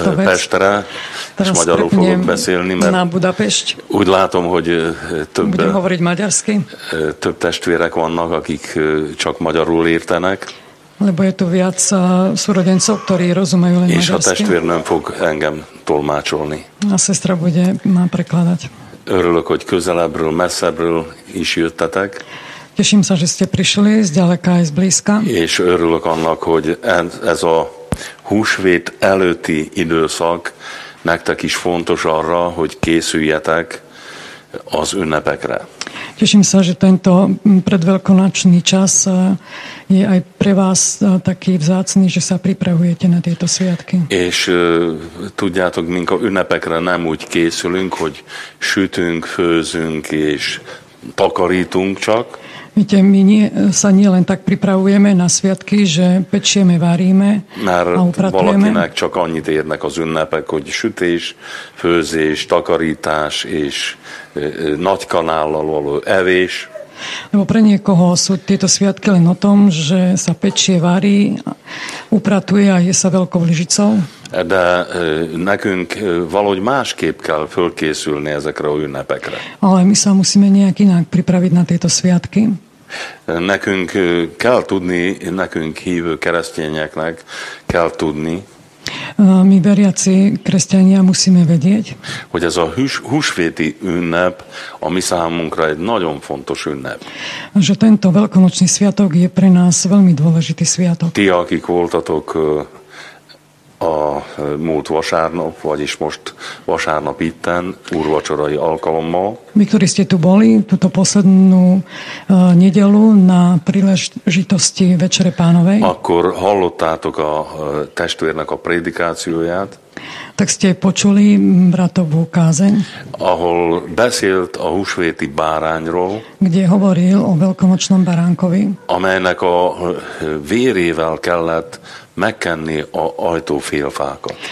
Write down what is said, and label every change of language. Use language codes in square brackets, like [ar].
[hu] Pestre, és magyarul fogok beszélni, mert úgy látom, hogy több testvérek vannak, akik csak magyarul értenek. [sk] Lebo je tu viac súrodencov, ktorí rozumejú len maďarsky. [hu] És a testvér nem fog engem tolmácsolni. [sk] A sestra bude ma prekladať. [hu] Örülök, hogy közelebbről, messzebbről is jöttetek. [sk] Teším sa, že ste prišli z ďaleka aj z blízka. [hu] És örülök annak, hogy ez a húsvét előtti időszak nektek is fontos arra, hogy készüljetek az ünnepekre. [sk] Teším sa, že tento predveľkonočný čas je aj pre vás taký vzácný, že sa pripravujete na tieto sviatky. [hu] És tudjátok, mink a ünnepekre nem úgy készülünk, hogy sütünk, főzünk és takarítunk csak. [sk] Víte, my sa nie len tak pripravujeme na sviatky, že pečieme, varíme a upratujeme. [hu] Mert valakinek csak annyit érnek az ünnepek, hogy sütés, főzés, takarítás és nagy kanállal való evés. [sk] Lebo pre niekoho sú tieto sviatky len o tom, že sa pečie, varí, upratuje a je sa veľkou lyžicou. [hu] De nekünk valahogy másképp kell fölkészülni ezekre a ünnepekre. [sk] Ale my sa musíme nejak inak pripraviť na tieto sviatky. [hu] Nekünk kell tudni, nekünk hívő keresztényeknek kell tudni, [sk] my veriaci kresťania musíme vedieť, [hu] hogy ez a húsvéti ünnep a mi számunkra egy nagyon fontos ünnep. [sk] Že tento veľkonočný sviatok je pre nás veľmi dôležitý sviatok. [hu] Ti, akik voltatok a múlt vasárnap, vagyis most vasárnap itten, úrvacsorai alkalommal. [sk] Mi, ktorí ste tu boli, túto poslednú nedelu na príležitosti Večere Pánovej. [hu] Akkor hallottátok a testvérnek a prédikációját. [sk] Tak ste počuli bratovú kázeň. [hu] Ahol beszélt a húsvéti bárányról. [sk] Kde hovoril o veľkonočnom baránkovi. [hu] Amelynek a vérével kellett megkenni a ajtófélfákat.